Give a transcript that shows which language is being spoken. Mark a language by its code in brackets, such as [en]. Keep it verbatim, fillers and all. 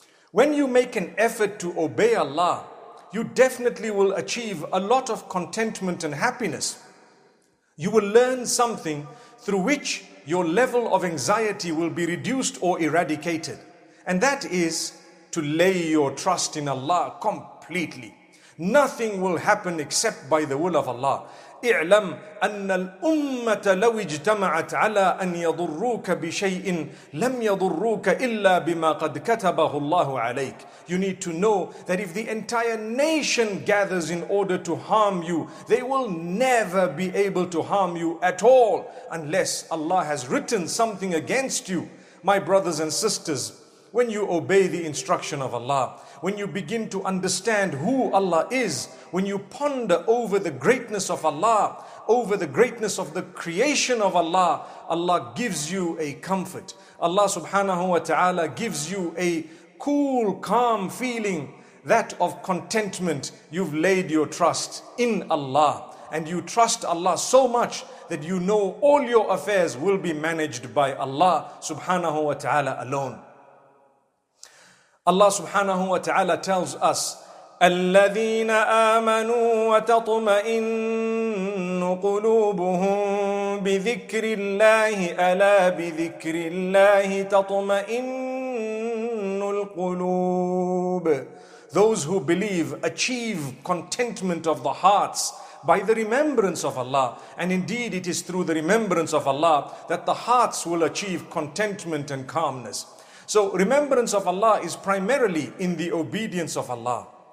[en] When you make an effort to obey Allah, you definitely will achieve a lot of contentment and happiness. You will learn something through which your level of anxiety will be reduced or eradicated. And that is to lay your trust in Allah completely. Nothing will happen except by the will of Allah. [ar] اعلم أن الأمة لو اجتمعت على أن يضروك بشيء لم يضروك إلا بما قد كتبه الله عليك. [en] You need to know that if the entire nation gathers in order to harm you, they will never be able to harm you at all unless Allah has written something against you. My brothers and sisters, when you obey the instruction of Allah, when you begin to understand who Allah is, when you ponder over the greatness of Allah, over the greatness of the creation of Allah, Allah gives you a comfort. Allah subhanahu wa ta'ala gives you a cool, calm feeling, that of contentment. You've laid your trust in Allah, and you trust Allah so much that you know all your affairs will be managed by Allah subhanahu wa ta'ala alone. Allah subhanahu wa ta'ala tells us, [ar] الَّذِينَ آمَنُوا وَتَطْمَئِنُّ قُلُوبُهُمْ بِذِكْرِ اللَّهِ أَلَا بِذِكْرِ اللَّهِ تَطْمَئِنُّ الْقُلُوبُ. [en] Those who believe achieve contentment of the hearts by the remembrance of Allah. And indeed it is through the remembrance of Allah that the hearts will achieve contentment and calmness. So remembrance of Allah is primarily in the obedience of Allah.